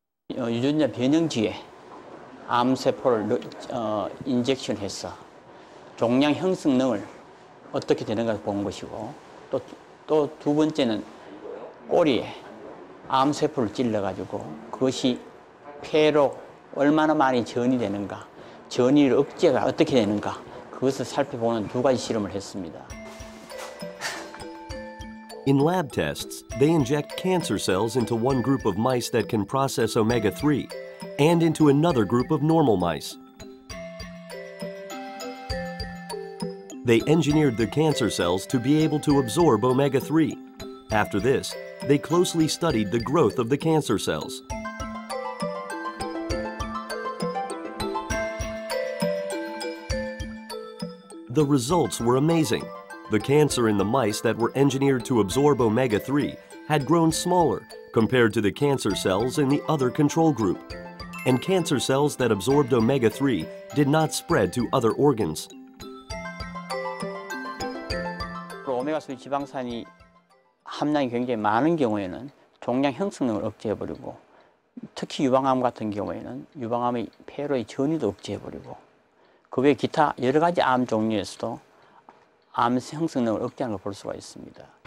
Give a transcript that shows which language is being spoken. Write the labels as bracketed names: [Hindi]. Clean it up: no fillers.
[Korean] 유전자 변형 뒤에 암세포를 인젝션해서 종양 형성능을 어떻게 되는가 본 것이고 또 두 번째는 꼬리에 암세포를 찔러가지고 그것이 폐로 얼마나 많이 전이 되는가, 전이를 억제가 어떻게 되는가 그것을 살펴보는 두 가지 실험을 했습니다. [English] In lab tests, they inject cancer cells into one group of mice that can process omega-3 and into another group of normal mice. They engineered the cancer cells to be able to absorb omega-3. After this, they closely studied the growth of the cancer cells. The results were amazing. The cancer in the mice that were engineered to absorb omega-3 had grown smaller compared to the cancer cells in the other control group. And cancer cells that absorbed omega-3 did not spread to other organs. [Korean] 오메가3 지방산이 함량이 굉장히 많은 경우에는 종양 형성능을 억제해버리고 특히 유방암 같은 경우에는 유방암의 폐로의 전이도 억제해버리고 그 외에 기타 여러 가지 암 종류에서도 암 형성능을 억제하는 걸 볼 수가 있습니다.